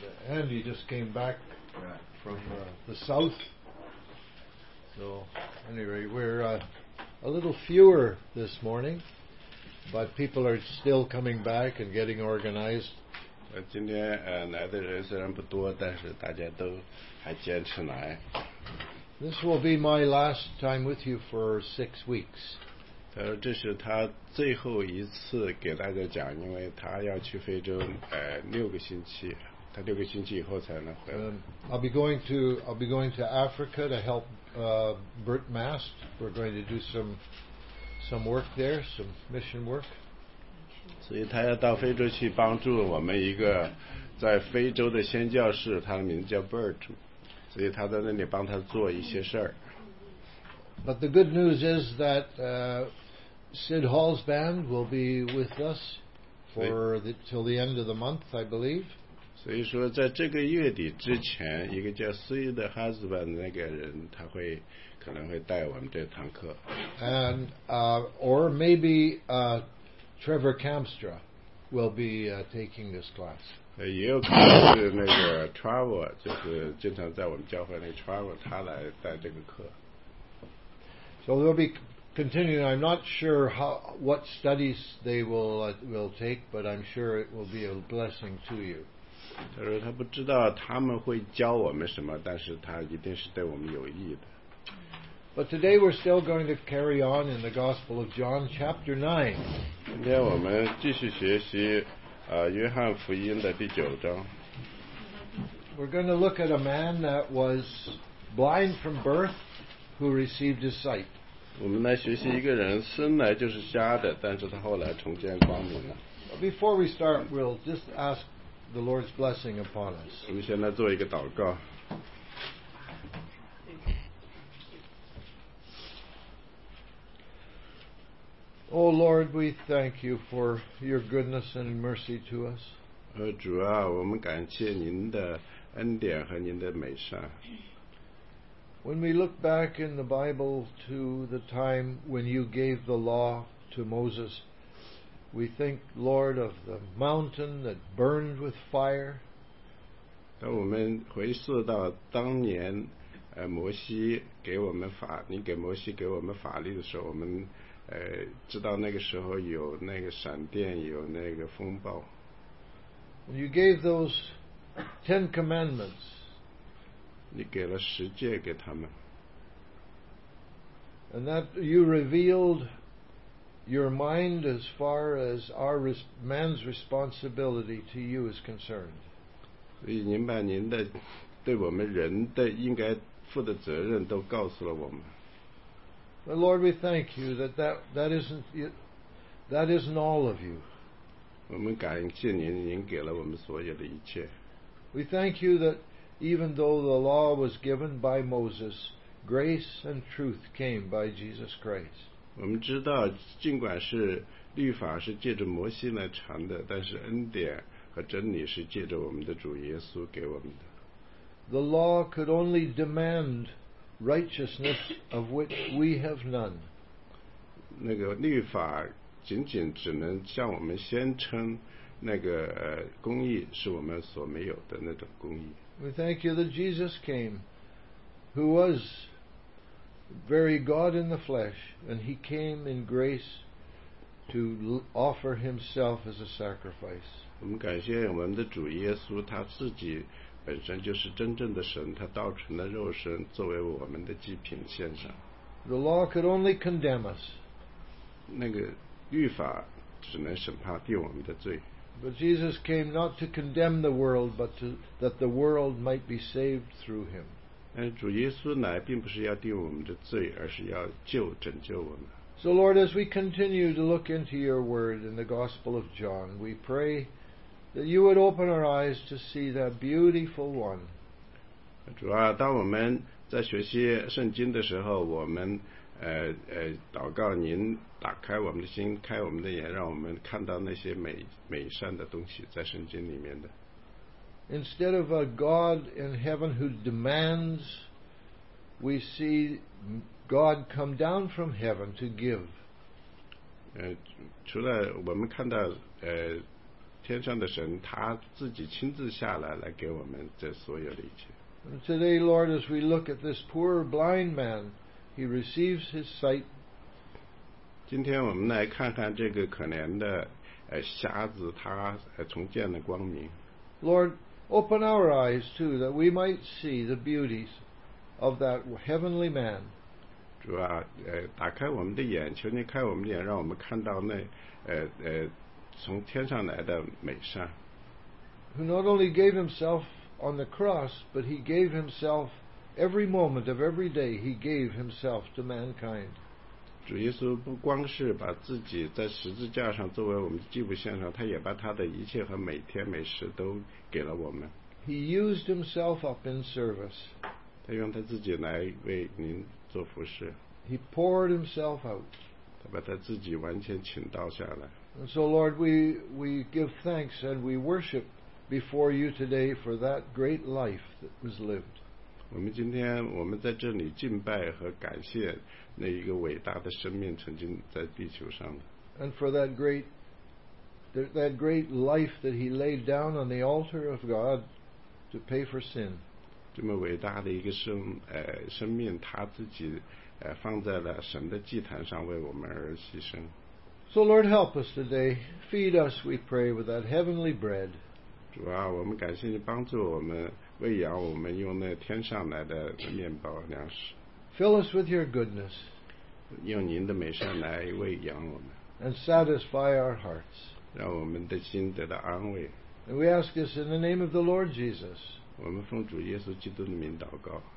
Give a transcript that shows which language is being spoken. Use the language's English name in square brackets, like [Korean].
[English] And you just came back from the south. So, anyway, we're a little fewer this morning, but people are still coming back and getting organized. [Chinese] 今天来的人虽然不多，但是大家都还坚持来。 [English] This will be my last time with you for 6 weeks. [Chinese] 这是他最后一次给大家讲，因为他要去非洲六个星期。他六个星期以后才能回来。 [English] I'll be going to Africa to help Bert Mast. We're going to do some work there, some mission work. [Chinese] 所以他要到非洲去帮助我们一个在非洲的宣教士，他的名字叫 Bert， 所以他在那里帮他做一些事儿。 [English] But the good news is that Sid Hall's band will be with us till the end of the month, I believe. [Chinese] 所以说在这个月底之前，一个叫 Sid Husband 那个人，他会可能会带我们这堂课。 [English] And or maybe Trevor Campstra will be taking this class. [Chinese] 也有可能是那个 Trevor， 就是经常在我们教会那 Trevor， 他来带这个课。 [English] So they'll be continuing. I'm not sure what studies they will take, but I'm sure it will be a blessing to you. [Chinese] 他说他不知道他们会教我们什么，但是他一定是对我们有益的。 [English] But today we're still going to carry on in the Gospel of John, chapter 9. [Chinese] 今天我们继续学习约翰福音的第九章。 [English] We're going to look at a man that was blind from birth who received his sight. [Chinese] 我们来学习一个人生来就是瞎的，但是他后来重见光明了。 [English] Before we start, we'll just ask. The Lord's blessing upon us. [Chinese] 我们先来做一个祷告。 [English] Oh Lord, we thank you for your goodness and mercy to us. [Chinese] 主啊，我们感谢您的恩典和您的美善。 [English] When we look back in the Bible to the time when you gave the law to Moses. We think, Lord, of the mountain that burned with fire. [Chinese] 当我们回溯到当年，摩西给我们法，你给摩西给我们法律的时候，我们知道那个时候有那个闪电，有那个风暴。 [English] When you gave those Ten Commandments. [Chinese] 你给了十诫给他们。 [English] And that you revealed. Your mind as far as our man's responsibility to you is concerned. [Chinese] 所以您把您的对我们人的应该负的责任都告诉了我们。 [English] But Lord, we thank you that isn't all of you. [Chinese] 我们感谢您，您给了我们所有的一切。 [English] We thank you that even though the law was given by Moses, grace and truth came by Jesus Christ. [Chinese] 我们知道尽管是律法是借着摩西来传的，但是恩典和真理是借着我们的主耶稣给我们的。 [English] The law could only demand righteousness of which we have none. [Chinese] 那个律法仅仅只能向我们宣称那个公义是我们所没有的那种公义。 [English] We thank you that Jesus came who wasVery God in the flesh, and He came in grace to offer Himself as a sacrifice. [Chinese] 我们感谢我们的主耶稣，他自己本身就是真正的神，他道成了肉身，作为我们的祭品献上。 [English] The law could only condemn us. [Chinese] 那个律法只能审判定我们的罪。 [English] But Jesus came not to condemn the world, but that the world might be saved through Him. [Chinese] 但主耶稣来并不是要定我们的罪，而是要救拯救我们。 [English] So Lord, as we continue to look into your word in the Gospel of John, we pray that you would open our eyes to see that beautiful one. [Chinese] 主啊，当我们在学习圣经的时候，我们祷告您打开我们的心，开我们的眼，让我们看到那些美善的东西在圣经里面的。 [English] instead of a God in heaven who demands, we see God come down from heaven to give. [Chinese] 除了我们看到天上的神他自己亲自下来来给我们这所有的一切。 [English] And today, Lord, as we look at this poor blind man, he receives his sight. [Chinese] 今天我们来看看这个可怜的瞎子他重见了光明。 [English] Lord, open our eyes too, that we might see the beauties of that heavenly man. [Chinese] 主啊，打开我们的眼，求你开我们的眼，让我们看到那从天上来的美善。 [English] Who not only gave himself on the cross, but he gave himself every moment of every day. He gave himself to mankind. [Chinese] 主耶稣不光是把自己在十字架上作为我们的祭物献上，他也把他的一切和每天每时都给了我们。 [English] He used himself up in service. [Chinese] 他用他自己来为您做服事。 [English] He poured himself out. [Chinese] 他把他自己完全倾倒下来。 [English] And so, Lord, we give thanks and we worship before you today for that great life that was lived. [Chinese] 我们今天我们在这里敬拜和感谢那一个伟大的生命曾经在地球上。 [English] And for that great life that he laid down on the altar of God to pay for sin. [Chinese] 这么伟大的一个生命，他自己放在了神的祭坛上为我们而牺牲。 [English] So Lord, help us today. Feed us, we pray, with that heavenly bread. [Chinese] 主啊，我们感谢你帮助我们，喂养我们用那天上来的面包粮食。 [English] Fill us with your goodness. [Chinese] 用您的美善来喂养我们。 [English] And satisfy our hearts. [Chinese] 让我们的心得到安慰。 [English] And we ask this in the name of the Lord Jesus. [Chinese] 我们奉主耶稣基督的名祷告。